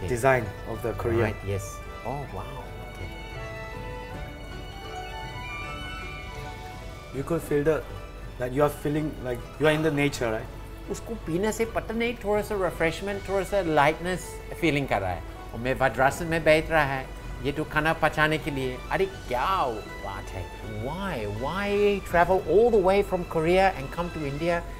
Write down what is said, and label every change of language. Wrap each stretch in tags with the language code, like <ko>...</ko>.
<en>The design of the Korean. Right, yes. Oh, wow. Okay. You could feel that you are feeling like you are in the nature, right?</en> <hi>उसको पीने से पता नहीं थोड़ा सा refreshment, थोड़ा सा lightness feeling कर रहा है. और मैं वज्रासन में बैठ रहा है. ये तो खाना पचाने के लिए. अरे क्या बात है?</hi> <en>Why travel all the way from Korea and come to India?</en>